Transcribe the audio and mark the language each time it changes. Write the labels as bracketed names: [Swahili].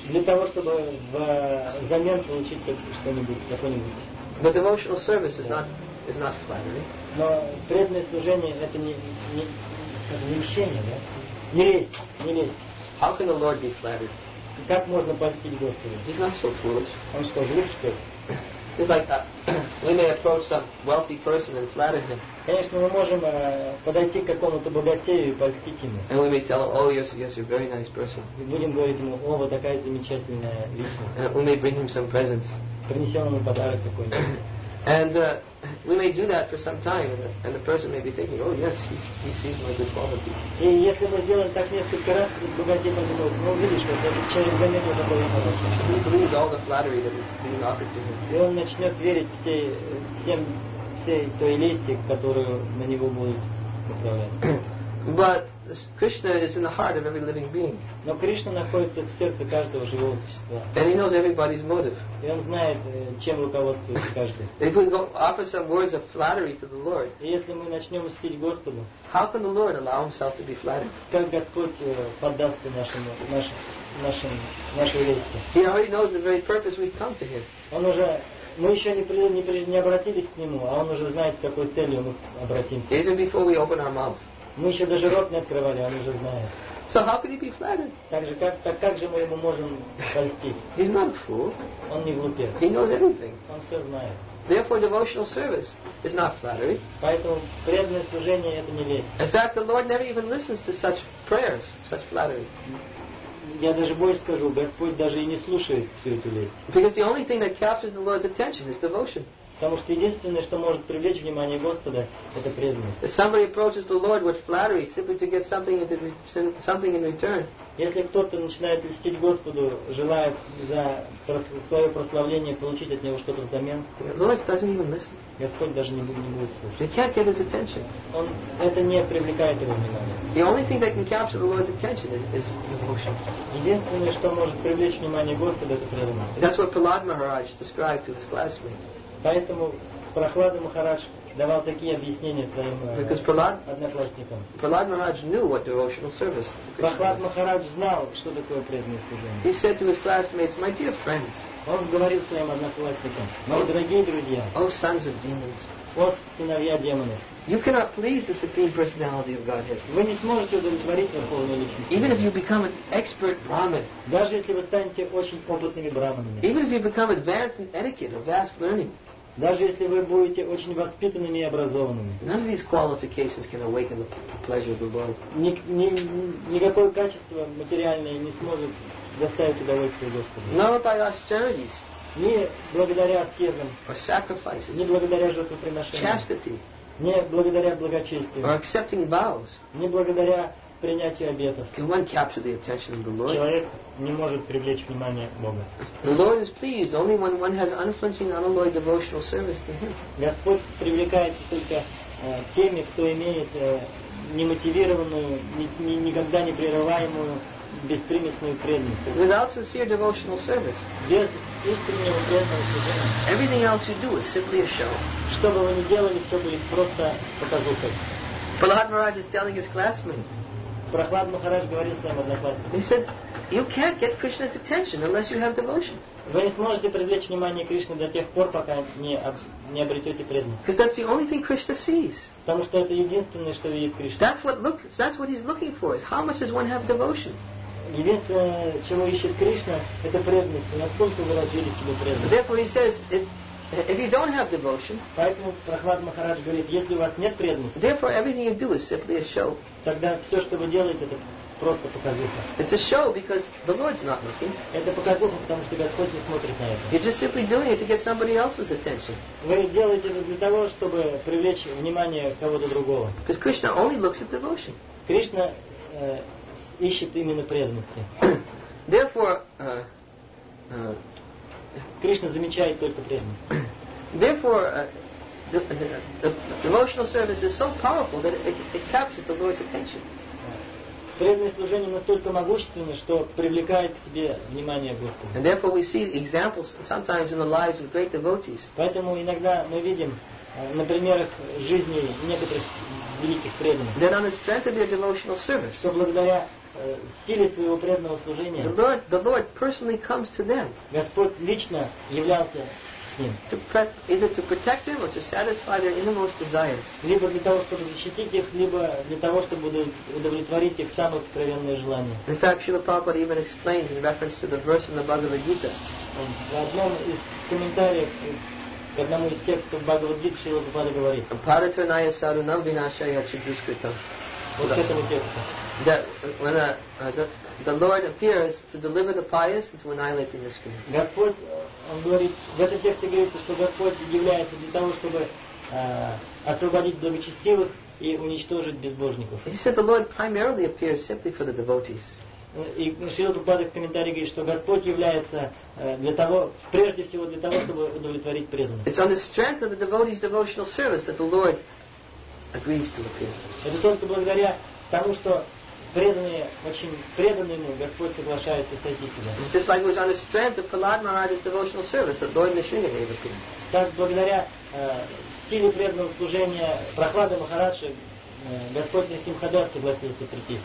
[Russian] Для того, чтобы взамен получить что-нибудь, какой-нибудь. [English] But devotional service is not flattering. [Russian] Но преданное служение это не мщение, да? Не лесть. [English] How can the Lord be flattered? [Russian] Как можно польстить Господу? [English] He's not so foolish. [Russian] Он что, глуп, что ли? [English] It's like that. We may approach some wealthy person and flatter him. [Russian] Конечно, мы можем подойти к какому-то богатею и польстить ему. [English] And we may tell him, oh yes, you're a very nice person. [Russian] И будем говорить ему, о, вы такая замечательная личность. [English] And we may bring him some presents. [Russian] Принесем ему подарок какой-нибудь. [English] And we may do that for some time, and the person may be thinking, oh yes, he sees my good qualities. [Russian] И если мы сделаем так несколько раз, богатей подумают, ну видишь, вот этот человек заметил такое хорошее. [English] He believes all the flattery that is being offered to him. [Russian] И он начнет верить всей той лести, которую на него будут направлять. [English] But Krishna is in the heart of every living being. [Russian] Но Кришна находится в сердце каждого живого существа. [English] And he knows everybody's motive. [Russian] И он знает, чем руководствуется каждый. [English] If we offer some words of flattery to the Lord, [Russian] если мы начнем мстить Господу, [English] how can the Lord allow himself to be flattered? [Russian] Как Господь поддастся нашей лести? [English] He already knows the very purpose we've come to him. [Russian] Он уже Мы еще не обратились к нему, а он уже знает, с какой целью мы обратимся. [English] Even before we open our mouth. [Russian] Мы еще даже рот не открывали, он уже знает. [English] So how could he be flattered? [Russian] Так же мы ему можем польстить? [English] He's not a fool. [Russian] Он не глупец. [English] He knows everything. [Russian] Он все знает. [English] Therefore, devotional service is not flattery. [Russian] Поэтому преданное служение это не лесть. [English] In fact, the Lord never even listens to such prayers, such flattery. [Russian] Я даже больше скажу, Господь даже и не слушает всю эту лесть. [English] Because the only thing that captures the Lord's attention is devotion. [Russian] Потому что единственное, что может привлечь внимание Господа, это преданность. [English] If somebody approaches the Lord with flattery simply to get something in return. [Russian] Если кто-то начинает льстить Господу, желая за свое прославление получить от него что-то взамен, [English] Lord doesn't even listen. [Russian] Господь даже не будет слушать. [English] He can't get his attention. [Russian] Он это не привлекает его внимание. [English] The only thing that can capture the Lord's attention is devotion. [Russian] Единственное, что может привлечь внимание Господа, это преданность. [English] That's what Prahlad Maharaj described to his classmates. [Russian] Поэтому Прохлада Махарадж давал такие объяснения своим одноклассникам. [English] Prahlad Maharaj knew what devotional service to Krishna. [Russian] Прохлад Махарадж знал, что такое преданное служение. [English] He said to his classmates, my dear friends. [Russian] Он говорил своим одноклассникам, мои дорогие друзья. [English] Oh, sons of demons. [Russian] О, сыновья демонов. [English] You cannot please the supreme personality of Godhead. [Russian] Вы не сможете удовлетворить верховную личность. [English] Even if you become an expert brahmin. [Russian] Даже если вы станете очень опытными брахманами. [English] Even if you become advanced in etiquette or vast learning. [Russian] Даже если вы будете очень воспитанными и образованными. [English] None of these qualifications can awaken the pleasure of the Lord. [Russian] Никакое качество материальное не сможет доставить удовольствие Господу. [English] Not by austerities. [Russian] не благодаря аскезам, не благодаря жертвоприношениям, не благодаря благочестию, не благодаря принятию обетов, человек не может привлечь внимание Бога. Господь привлекается только теми, кто имеет немотивированную, никогда не прерываемую беспримесную преданность. [English] Without sincere devotional service. [Russian] Без искреннего преданного служения. [English] Everything else you do is simply a show. [Russian] Что бы вы ни делали, все будет просто показухой. [English] Prahlad Maharaj is telling his classmates. [Russian] Prahlad Maharaj говорит своим одноклассникам. [English] He said, you can't get Krishna's attention unless you have devotion. [Russian] Вы не сможете привлечь внимание Кришны до тех пор, пока не обретете преданность. [English] Because that's the only thing Krishna sees. [Russian] Потому что это единственное, что видит Кришна. [English] That's what he's looking for. Is how much does one have devotion? [Russian] Единственное, чего ищет Кришна, это преданность. Насколько вы развили себе преданность? [English] Therefore he says, if you don't have devotion. [Russian] Поэтому Прохлад Махарадж говорит, если у вас нет преданности. [English] Therefore everything you do is simply a show. [Russian] Тогда все, что вы делаете, это просто показуха. [English] It's a show because the Lord's not looking. [Russian] Это показуха, потому что Господь не смотрит на это. [English] You're just simply doing it to get somebody else's attention. [Russian] Вы делаете это для того, чтобы привлечь внимание кого-то другого. [English] Because Krishna only looks at devotion. [Russian] Кришна ищет именно преданности. [English] Therefore, [Russian] Кришна замечает только преданность. [English] Therefore, the devotional service is so powerful that it captures the Lord's attention. [Russian] Преданное служение настолько могущественно, что привлекает к себе внимание Господа. [English] And therefore we see examples sometimes in the lives of great devotees. [Russian] Поэтому иногда мы видим на примерах жизни некоторых великих преданных. [English] Then on the strength of their devotional service. [Russian] Что благодаря силе своего преданного служения. [English] The Lord personally comes to them. [Russian] Господь лично являлся к ним. [English] Either to protect them or to satisfy their innermost desires. [Russian] Либо для того, чтобы защитить их, либо для того, чтобы удовлетворить их самые сокровенные желания. [English] In fact, Srila Prabhupada even explains in reference to the verse in the Bhagavad Gita. [Russian] В одном из комментариев к одному из текстов Бхагавад Гиты Шрила Прабхупада говорит. [Sanskrit] Паратанайя сарунам винашая чудискритам. [Russian] Вот к этому тексту. [English] That when the Lord appears to deliver the pious and to annihilate the miscreants. [Russian] Господь, он говорит, в этом тексте говорится, что Господь является для того, чтобы освободить благочестивых и уничтожить безбожников. [English] He said the Lord primarily appears simply for the devotees. [Russian] И Шрила Прабхупада в комментарии говорит, что Господь является для того, прежде всего для того, чтобы удовлетворить преданных. [English] It's on the strength of the devotees' devotional service that the Lord agrees to appear. [Russian] Это только благодаря тому, что преданные, очень преданные ему, Господь соглашается сойти сюда. [English] Just like it was on the strength of Prahlad Maharaj's devotional service that Lord Nrisimhadev appeared. [Russian] Так, благодаря силе преданного служения Прохлады Махараджи, Господь Нрисимхадев согласился прийти.